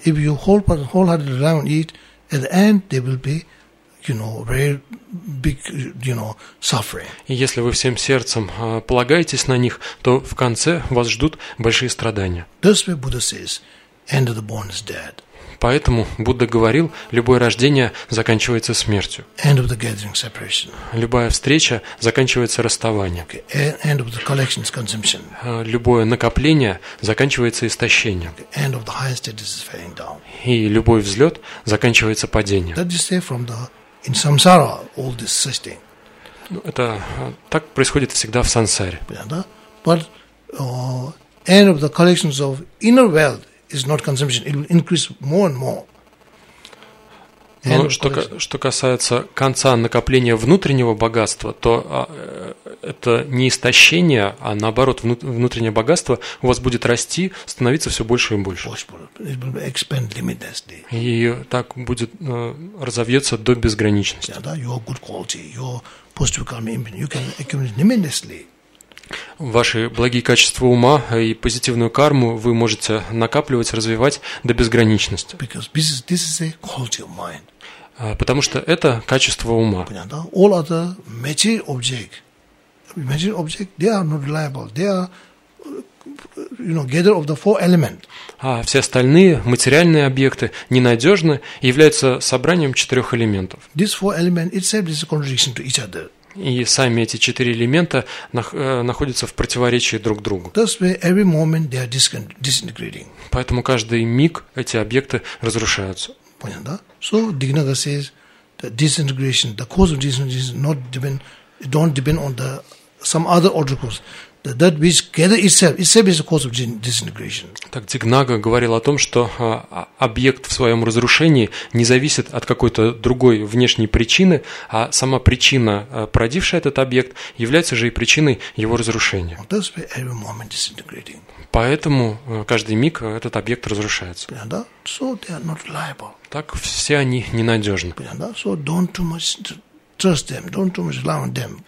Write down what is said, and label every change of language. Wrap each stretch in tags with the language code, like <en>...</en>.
<en>If you wholeheartedly rely on it, at the end they will be, very big, suffering.</en> <ru>И если вы всем сердцем полагаетесь на них, то в конце вас ждут большие страдания.</ru> <en>That's why Buddha says, end of the born is dead.</en> <ru>Поэтому Будда говорил, любое рождение заканчивается смертью.</ru> <en>End of the gathering, separation.</en> <ru>Любая встреча заканчивается расставанием.</ru> <en>Okay. End of the collection, consumption.</en> <ru>Любое накопление заканчивается истощением.</ru> <en>Okay. End of the highest status is falling down.</en> <ru>И любой взлет заканчивается падением.</ru> <en>That you say from the, in samsara, all this sustain.</en> <ru>Это так происходит всегда в сансаре. Yeah, да?</ru> <en>But end of the collections of inner wealth is not consumption, it will increase more and more.</en> <ru>Но что касается конца накопления внутреннего богатства, то это не истощение, а наоборот, внутреннее богатство у вас будет расти, становиться все больше и больше.</ru> <en>It will expand limitlessly.</en> <ru>И так будет разовьется до безграничности.</ru> <en>Yeah, your good quality, your positive karma impact, you can accumulate limitlessly.</en> <ru>Ваши благие качества ума и позитивную карму вы можете накапливать, развивать до безграничности.</ru> <en>Because this is a quality of mind.</en> <ru>Потому что это качество ума.</ru> <en>All other material objects, they are not reliable. They are, gather of the four element.</en> <ru>А все остальные материальные объекты ненадежны и являются собранием четырех элементов.</ru> <en>These four element itself is a contradiction to each other.</en> <ru>И сами эти четыре элемента находятся в противоречии друг другу.</ru> <en>That's why every moment they are disintegrating.</en> <ru>Поэтому каждый миг эти объекты разрушаются. Понятно, да?</ru> <en>So Dignaga says that disintegration, the cause of disintegration is not depend, don't depend on the some other obstacles. That which gather itself is the cause of disintegration.</en> <ru>Так Дигнага говорил о том, что объект в своем разрушении не зависит от какой-то другой внешней причины, а сама причина, породившая этот объект, является же и причиной его разрушения.</ru> <en>That's why every moment disintegrating.</en> <ru>Поэтому каждый миг этот объект разрушается.</ru> <en>Yeah, да? So they are not reliable.</en> <ru>Так все они ненадежны. Yeah, да?</ru> <en>So don't too much trust them, don't too much rely on them.</en>